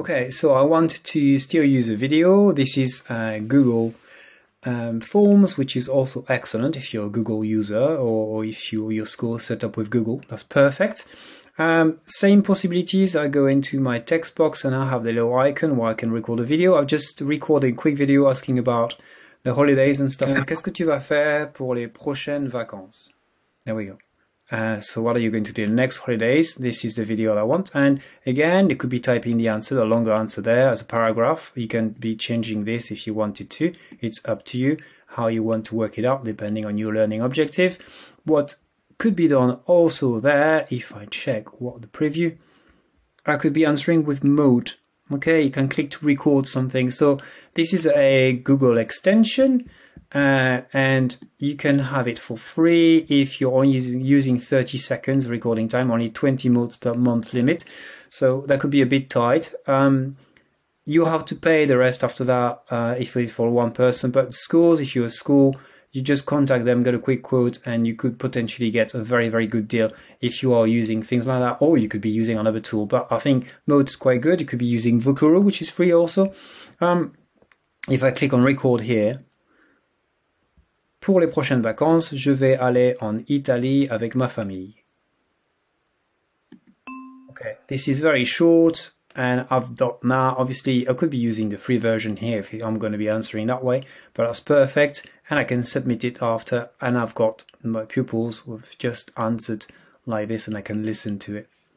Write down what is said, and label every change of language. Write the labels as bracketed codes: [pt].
[en] Okay, so I want to still use a video. This is Google Forms, which is also excellent if you're a Google user, or if your school is set up with Google, that's perfect. Same possibilities, I go into my text box and I have the little icon where I can record a video. I've just recorded a quick video asking about the holidays and stuff. [fr] Qu'est-ce que tu vas faire pour les prochaines vacances? [en] There we go. So what are you going to do the next holidays? This is the video that I want. And again, it could be typing the answer, the longer answer there as a paragraph. You can be changing this if you wanted to. It's up to you how you want to work it out, depending on your learning objective. What could be done also there, if I check what the preview, I could be answering with Mote. Okay, you can click to record something. So this is a Google extension, and you can have it for free if you're only using 30 seconds recording time, only 20 modes per month limit. So that could be a bit tight. You have to pay the rest after that if it's for one person. But schools, if you're a school, you just contact them, get a quick quote, and you could potentially get a very, very good deal if you are using things like that, or you could be using another tool. But I think Mote is quite good. You could be using Vocaroo, which is free also. If I click on record here, [fr] pour les prochaines vacances, je vais aller en Italie avec ma famille. [en] Okay, this is very short, and I've done that. Obviously, I could be using the free version here if I'm going to be answering that way, but that's perfect. And I can submit it after, and I've got my pupils who have just answered like this, and I can listen to it.